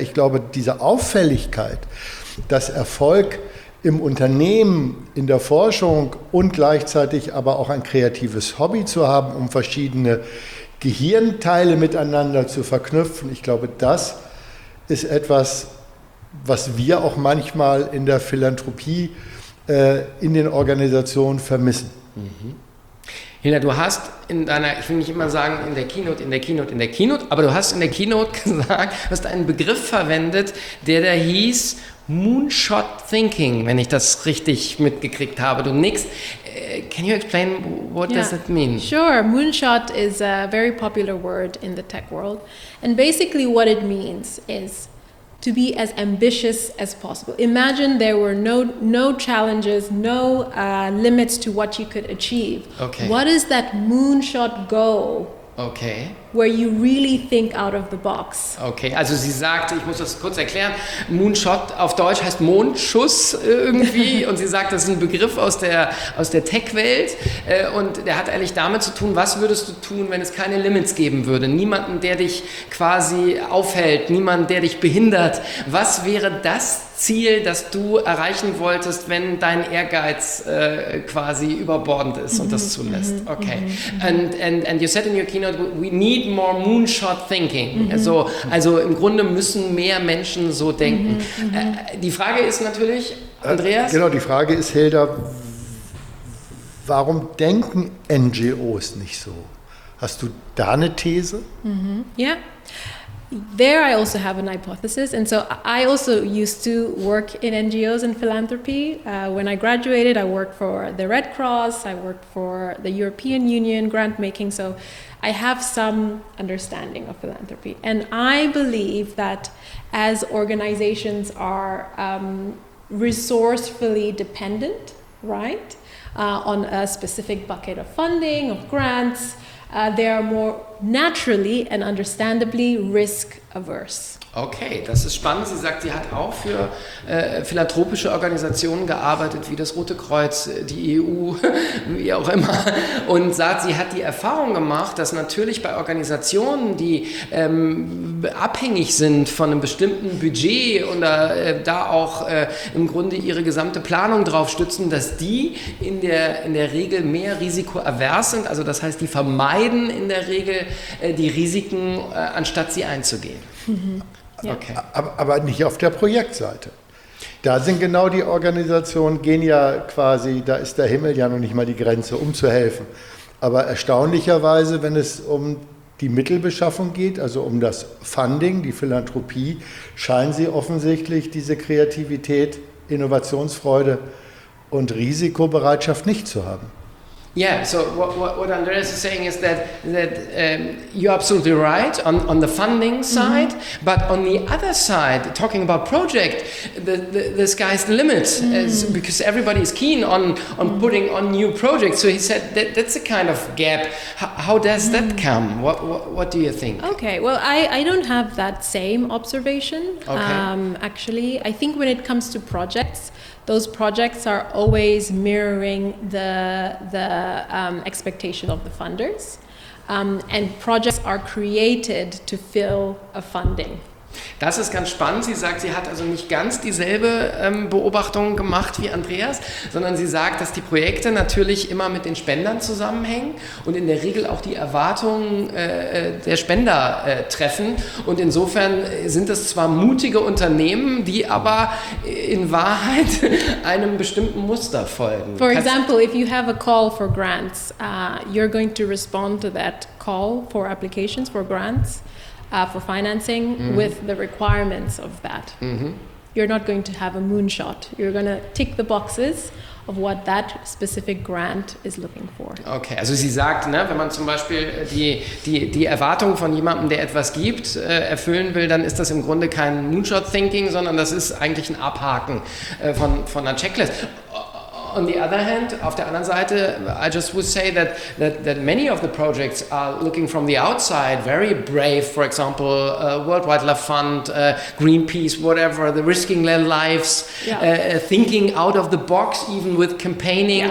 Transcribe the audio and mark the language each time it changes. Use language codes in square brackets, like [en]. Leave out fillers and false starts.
[de] Ich glaube, diese Auffälligkeit, dass Erfolg im Unternehmen, in der Forschung und gleichzeitig aber auch ein kreatives Hobby zu haben, um verschiedene Gehirnteile miteinander zu verknüpfen, ich glaube, das ist etwas, was wir auch manchmal in der Philanthropie in den Organisationen vermissen. Mhm. Hilda, du hast in deiner, ich will nicht immer sagen, in der Keynote, aber du hast in der Keynote gesagt, hast einen Begriff verwendet, der da hieß Moonshot Thinking, wenn ich das richtig mitgekriegt habe. Du nickst. [en] Can you explain what does it mean? Sure. Moonshot is a very popular word in the tech world. And basically what it means is to be as ambitious as possible. Imagine there were no challenges, no limits to what you could achieve. Okay. What is that moonshot goal? Okay. Where you really think out of the box. [de] Okay, also sie sagt, ich muss das kurz erklären, Moonshot auf Deutsch heißt Mondschuss irgendwie und sie sagt, das ist ein Begriff aus der Tech-Welt und der hat eigentlich damit zu tun, was würdest du tun, wenn es keine Limits geben würde, niemanden, der dich quasi aufhält, niemanden, der dich behindert, was wäre das Ziel, das du erreichen wolltest, wenn dein Ehrgeiz quasi überbordend ist und das zulässt. [en] Okay. And you said in your keynote, we need more moonshot thinking. Mm-hmm. [de] Also im Grunde müssen mehr Menschen so denken. Mm-hmm. Die Frage ist natürlich, Andreas? Genau, die Frage ist, Hilda, warum denken NGOs nicht so? Hast du da eine These? Ja. Mm-hmm. [en] Yeah. There I also have an hypothesis, and so I also used to work in NGOs and philanthropy. When I graduated, I worked for the Red Cross, I worked for the European Union grant making, so I have some understanding of philanthropy. And I believe that as organizations are resourcefully dependent, right, on a specific bucket of funding, of grants, they are more naturally and understandably risk-averse. [de] Okay, das ist spannend. Sie sagt, sie hat auch für philanthropische Organisationen gearbeitet, wie das Rote Kreuz, die EU, wie auch immer. Und sagt, sie hat die Erfahrung gemacht, dass natürlich bei Organisationen, die abhängig sind von einem bestimmten Budget und da auch im Grunde ihre gesamte Planung drauf stützen, dass die in der Regel mehr risikoavers sind. Also das heißt, die vermeiden in der Regel die Risiken, anstatt sie einzugehen. Mhm. Ja. Okay. Aber nicht auf der Projektseite. Da sind genau die Organisationen, gehen ja quasi, da ist der Himmel ja noch nicht mal die Grenze, um zu helfen. Aber erstaunlicherweise, wenn es um die Mittelbeschaffung geht, also um das Funding, die Philanthropie, scheinen sie offensichtlich diese Kreativität, Innovationsfreude und Risikobereitschaft nicht zu haben. [en] Yeah, so what Andreas is saying is that you're absolutely right on the funding side, mm-hmm. but on the other side, talking about project, the sky's the limit, because everybody is keen on putting on new projects. So he said that's a kind of gap. How does that come? What do you think? Okay, well, I don't have that same observation, actually. I think when it comes to projects, those projects are always mirroring the expectation of the funders, and projects are created to fill a funding. [de] Das ist ganz spannend. Sie sagt, sie hat also nicht ganz dieselbe Beobachtung gemacht wie Andreas, sondern sie sagt, dass die Projekte natürlich immer mit den Spendern zusammenhängen und in der Regel auch die Erwartungen der Spender treffen. Und insofern sind das zwar mutige Unternehmen, die aber in Wahrheit einem bestimmten Muster folgen. [en] For example, if you have a call for grants, you're going to respond to that call for applications for grants. For financing with the requirements of that. Mm-hmm. You're not going to have a moonshot. You're going to tick the boxes of what that specific grant is looking for. [de] Okay, also sie sagt, ne, wenn man zum Beispiel die Erwartung von jemandem, der etwas gibt, erfüllen will, dann ist das im Grunde kein Moonshot-Thinking, sondern das ist eigentlich ein Abhaken von einer Checklist. [en] On the other hand, [de] auf der anderen Seite, [en] I just would say that many of the projects are looking from the outside, very brave, for example, World Wildlife Fund, Greenpeace, whatever, the risking their lives, thinking out of the box, even with campaigning.